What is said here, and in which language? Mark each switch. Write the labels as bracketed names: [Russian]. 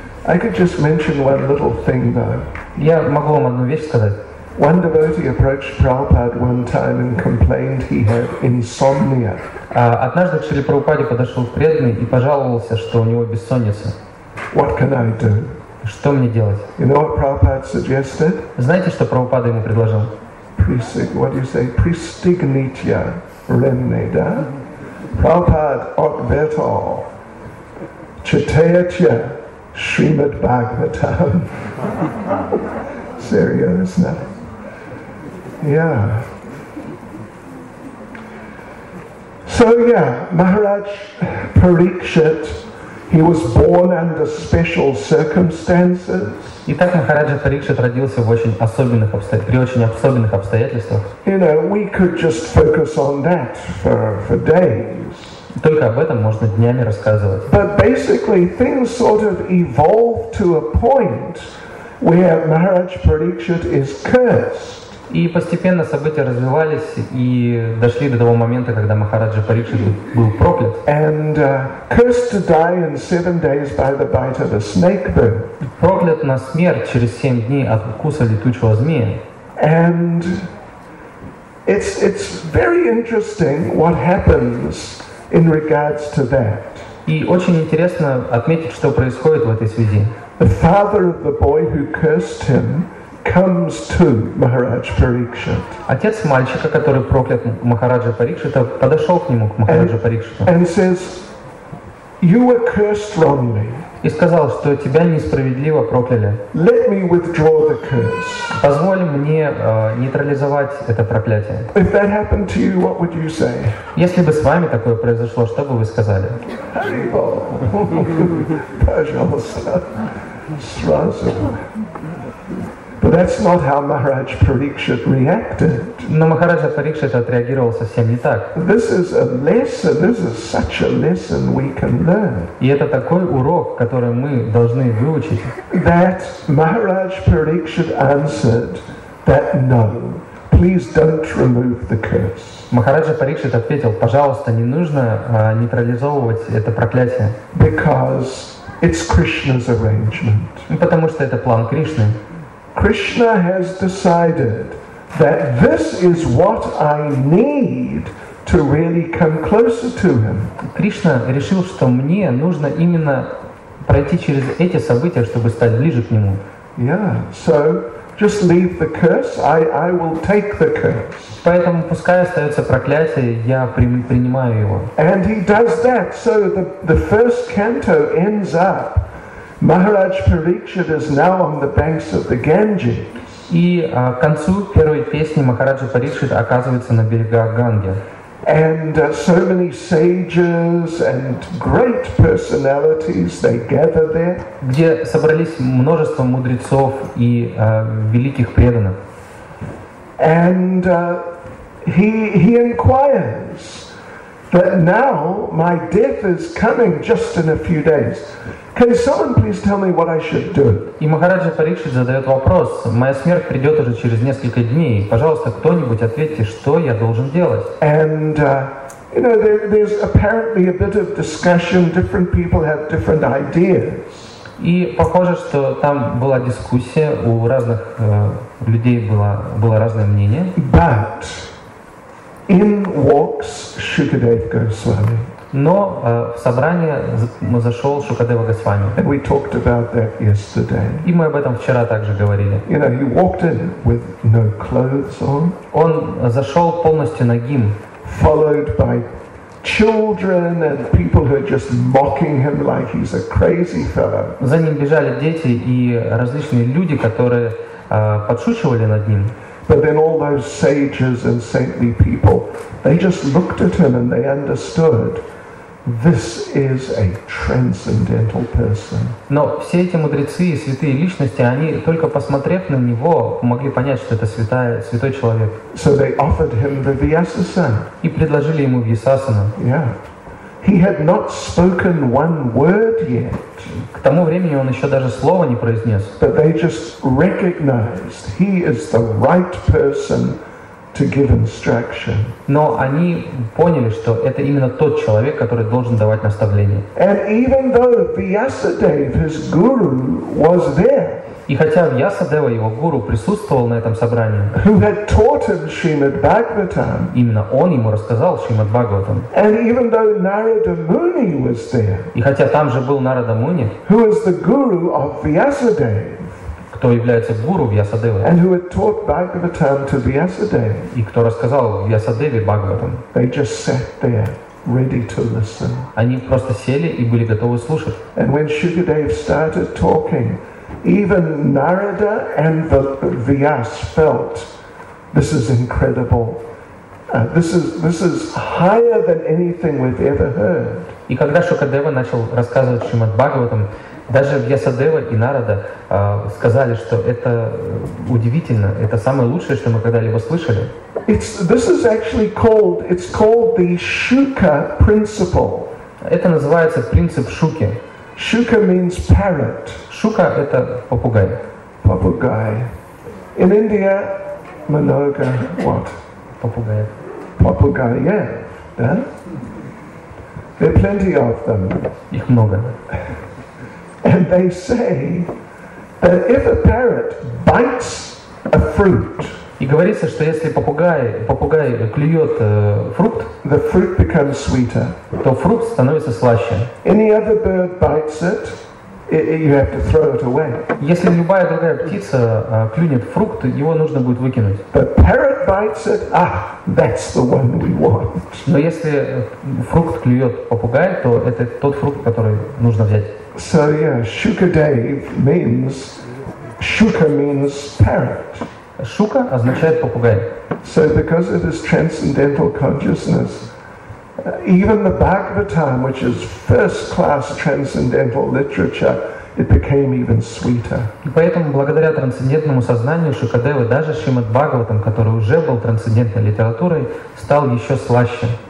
[English] I could just mention one little thing, though. [Russian] Я могу вам одну вещь сказать. [English] One devotee approached Prabhupada one time and complained he had insomnia. [Russian] Однажды к Шриле Прабхупаде подошел преданный и пожаловался, что у него бессонница. [English] What can I do? [Russian] Что мне делать? [English] You know what Prabhupada suggested? [Russian] Знаете, что Прабхупада ему предложил? [English] What do you say? Pristignitya remne, да? [Russian] Prabhupada odvetal chitaya srimad bhagavatam. [English] Serious, no? Yeah. So yeah, Maharaj Parikshit, he was born under special circumstances. [Russian] Итак, Махараджа Парикшит родился в очень особенных обстоятельствах. [English] You know, we could just focus on that for days. [Russian] Только об этом можно днями рассказывать. [English] But basically, things sort of evolved to a point where Maharaj Parikshit is cursed. [Russian] И постепенно события развивались и дошли до того момента, когда Махараджа Парикшит был проклят. [English] And cursed to die in 7 days by the bite of a snake bird. [Russian] Проклят на смерть через 7 дней от укуса летучего змея. [English] And it's very interesting what happens in regards to that. [Russian] И очень интересно отметить, что происходит в этой связи. [English] the father of the boy who cursed him comes to Maharaj Parikshit. [Russian] Отец мальчика, который проклял Махараджа Парикшита, подошел к нему, к Махараджу Парикшиту. [English] And he says, "You were cursed wrongly." [Russian] И сказал, что тебя несправедливо прокляли. [English] Let me withdraw the curse. [Russian] Позволь мне нейтрализовать это проклятие. [English] If that happened to you, what would you say? [Russian] Если бы с вами такое произошло, что бы вы сказали? Пожалуйста. [English] But that's not how Maharaj Parikshit reacted. [Russian] Но Махараджа Парикшит отреагировал совсем не так. [English] This is a lesson. This is such a lesson we can learn. [Russian] И это такой урок, который мы должны выучить. [English] That Maharaj Parikshit answered that no, please don't remove the curse. [Russian] Махараджа Парикшит ответил: пожалуйста, не нужно нейтрализовывать это проклятие. [English] Because it's Krishna's arrangement. [Russian] Потому что это план Кришны. [English] Krishna has decided that this is what I need to really come closer to him. [Russian] Кришна решил, что мне нужно именно пройти через эти события, чтобы стать ближе к нему. [English] Yeah, so just leave the curse. I will take the curse. [Russian] Поэтому пускай остается проклятие, я принимаю его. [English] And he does that. So the first canto ends up Maharaj Parikshit is now on the banks of the Ganges. [Russian] И к концу первой песни Махараджа Парикшит оказывается на берегах Ганги. [English] And so many sages and great personalities they gather there. [Russian] Где собрались множество мудрецов и великих преданных. [English] And he inquires that now my death is coming just in a few days. Can someone please tell me what I should do? [Russian] И Махараджа Парикшит задает вопрос: моя смерть придет уже через несколько дней. Пожалуйста, кто-нибудь ответьте, что я должен делать? [English] And you know, there's apparently a bit of discussion. Different people have different ideas. [Russian] И похоже, что там была дискуссия у разных людей было разное мнение. [English] But in walks Shukadev Goswami. [Russian] Но в собрание зашел Шукадева Госвами. [English] And we talked about that yesterday. [Russian] И мы об этом вчера также говорили. [English] You know, he walked in with no clothes on. [Russian] Он зашел полностью нагим. [English] Followed by children and people who are just mocking him like he's a crazy fellow. [Russian] За ним бежали дети и различные люди, которые подшучивали над ним. [English] But then all those sages and saintly people, they just looked at him and they understood, this is a transcendental person. [Russian] Но все эти мудрецы и святые личности, они только посмотрев на него, могли понять, что это святой человек. [English] So they offered him the Vyasasana. [Russian] И предложили ему Вьясасану. [English] Yeah. He had not spoken one word yet. [Russian] К тому времени он еще даже слова не произнес. [English] But they just recognized he is the right person to give instruction. [Russian] Но они поняли, что это именно тот человек, который должен давать наставление. [English] And even though Vyasadeva, his guru, was there. [Russian] И хотя Вьясадева, его гуру, присутствовал на этом собрании, [English] who had taught him Shrimad Bhagavatam, [Russian] именно он ему рассказал Шримад Бхагаватам, [English] and even though Narada Muni was there, [Russian] и хотя там же был Нарада Муни, [English] who was the guru of Vyasadeva, [Russian] кто является гуру Вьясадевы, [English] and who had taught Bhagavatam to Vyasadeva, [Russian] и кто рассказал Вьясадеве Бхагаватам, [English] they just sat there. Ready to listen. [Russian] Они просто сели и были готовы слушать. [English] And when Shukadev started talking, even Narada and the Vyas felt, this is incredible. This is higher than anything we've ever heard. [Russian] И когда Шукадева начал рассказывать Шримад Бхагаватам, даже Вьясадева и Нарада сказали, что это удивительно, это самое лучшее, что мы когда-либо слышали. [English] It's called the Shuka principle. [Russian] Это называется принцип Шуки. [English] Shuka means parrot. [Russian] Шука — это попугай. [English] Попугай. In India, Monoga, what? [Russian] Попугай. [English] Попугай, yeah. Да? There are plenty of them. [Russian] Их много. [English] And they say that if a parrot bites a fruit, [Russian] и говорится, что если попугай клюет фрукт, [English] the fruit becomes sweeter, [Russian] то фрукт становится слаще. [English] Any other bird bites it, you have to throw it away. [Russian] Если любая другая птица клюнет фрукт, его нужно будет выкинуть. [English] But parrot bites it. Ah, that's the one we want. [Russian] Но если фрукт клюет попугай, то это тот фрукт, который нужно взять. [English] So yeah, Shuka Dave means Shuka means parrot. [Russian] Shuka означает попугай. [English] So because it is transcendental consciousness. Even the Bhagavatam, which is first-class transcendental literature, it became even sweeter. [Russian] Поэтому благодаря трансцендентному сознанию Шукадевы даже Шримад Бхагаватам, который уже был трансцендентной литературой, стал еще слаще.